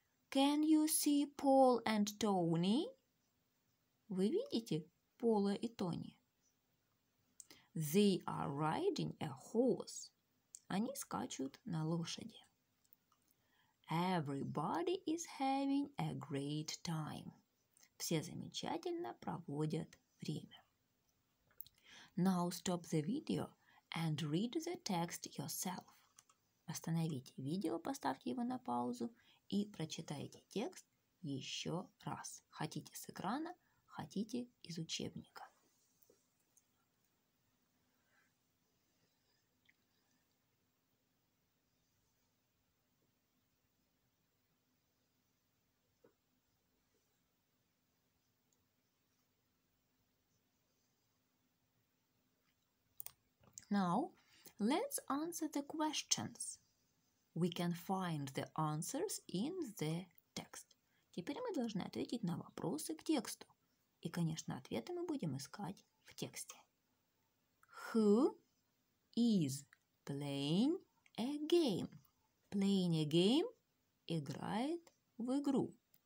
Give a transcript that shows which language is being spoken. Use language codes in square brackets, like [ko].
[en] Can you see Paul and Tony? [ru] Вы видите Пола и Тони? [en] They are riding a horse. [ru] Они скачут на лошади. [en] Everybody is having a great time. [ru] Все замечательно проводят время. [en] Now stop the video and read the text yourself. [ru] Остановите видео, поставьте его на паузу и прочитайте текст еще раз. Хотите с экрана, хотите из учебника. [en] Now, let's answer the questions. We can find the answers in the text. [ru] Теперь мы должны ответить на вопросы к тексту. И, конечно, ответы мы будем искать в тексте. [en] Who is playing a game? Playing a game – [ru] играет в игру.